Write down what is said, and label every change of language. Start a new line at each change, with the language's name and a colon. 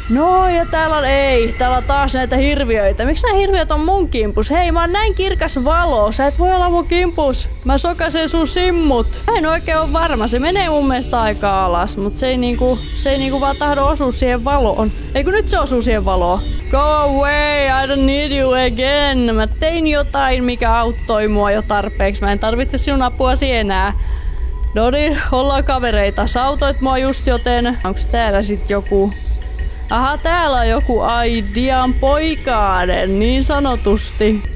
Finnish: No ja täällä on, ei, täällä on taas näitä hirviöitä. Miksi nää hirviöt on mun kimpus? Hei, mä oon näin kirkas valo, sä et voi olla mun kimpus. Mä sokasin sun simmut. Mä en oikein ole varma, se menee mun mielestä aika alas, mut se ei niinku vaan tahdo osua siihen valoon. Eiku nyt se osuu siihen valoon.
English: Go away, I don't need you again.
Finnish: Mä tein jotain, mikä auttoi mua jo tarpeeksi. Mä en tarvitse sinun apuasi enää. No niin, ollaan kavereita. Sä autoit mua just joten. Onks täällä sit joku? Aha, täällä on joku Aidian poikainen, niin sanotusti.